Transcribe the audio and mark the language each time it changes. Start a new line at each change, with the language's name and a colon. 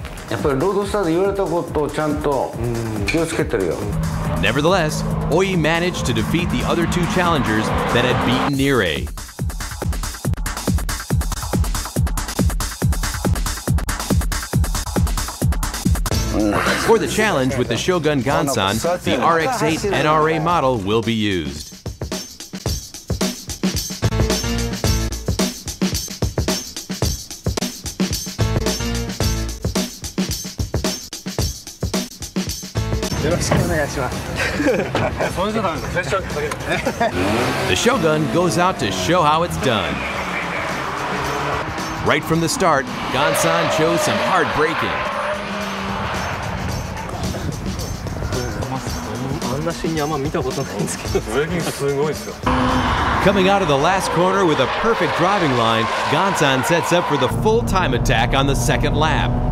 Japanese: やっぱりロードスターで言われたことをちゃんと気をつけてるよ。
English: Nevertheless, Oi managed to defeat the other two challengers that had beaten Nire. For the challenge with the Shogun Gansan, the RX-8 NRA model will be used. The Shogun goes out to show how it's done. Right from the start, Gansan chose some hard braking.
Japanese: なシーンにあんま見たことないんですけど。ウェビングすごいですよ。
English: Coming out of the last corner with a perfect driving line, Gansan sets up for the full time attack on the second lap.